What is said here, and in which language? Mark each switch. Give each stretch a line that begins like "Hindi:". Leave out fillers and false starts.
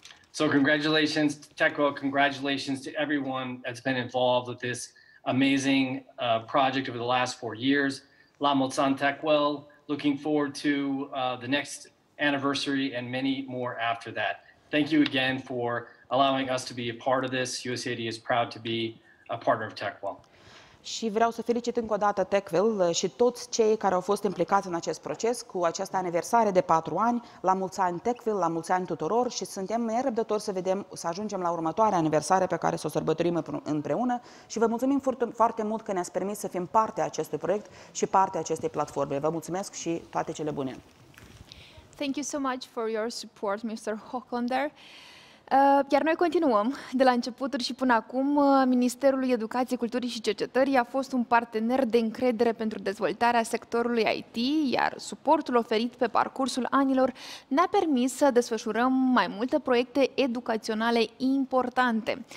English: So congratulations, TechWell, congratulations to everyone that's been involved with this amazing project over the last 4 years.
Romanian: La mulți ani, TechWell.
English: Looking forward to the next anniversary and many more after that. Thank you again for allowing us to be a part of this. USAID is proud to be a partner of TechWell.
Romanian: Și vreau să felicit încă o dată TechWell și toți cei care au fost implicați în acest proces cu această aniversare de 4 ani. La mulți ani TechWell, la mulți ani tuturor și suntem nerăbdători să vedem, să ajungem la următoarea aniversare pe care să o sărbătorim împreună și vă mulțumim foarte mult că ne-ați permis să fim parte a acestui proiect și parte a acestei platforme. Vă mulțumesc și toate cele bune.
English: Thank you so much for your support, Mr.
Romanian: Hochlander. Iar noi continuăm. De la începuturi și până acum, Ministerul Educației, Culturii și Cercetării a fost un partener de încredere pentru dezvoltarea sectorului IT, iar suportul oferit pe parcursul anilor ne-a permis să desfășurăm mai multe proiecte educaționale importante.